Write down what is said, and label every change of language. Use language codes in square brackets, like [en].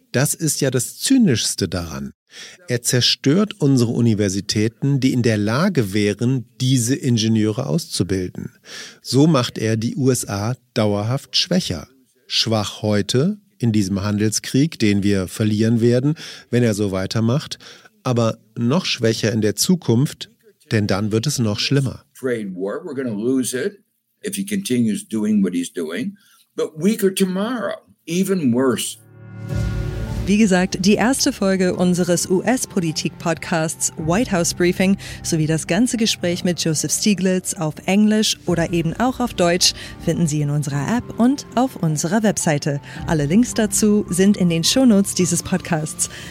[de] Das ist ja das Zynischste daran. Er zerstört unsere Universitäten, die in der Lage wären, diese Ingenieure auszubilden. So macht er die USA dauerhaft schwächer. Schwach heute, in diesem Handelskrieg, den wir verlieren werden, wenn er so weitermacht, aber noch schwächer in der Zukunft, denn dann wird es noch schlimmer. [en] Trade war, we're going to lose it if he continues doing what he's doing, but weaker tomorrow, even worse. [de] Wie gesagt, die erste Folge unseres US-Politik-Podcasts White House Briefing sowie das ganze Gespräch mit Joseph Stieglitz auf Englisch oder eben auch auf Deutsch finden Sie in unserer App und auf unserer Webseite. Alle Links dazu sind in den Shownotes dieses Podcasts.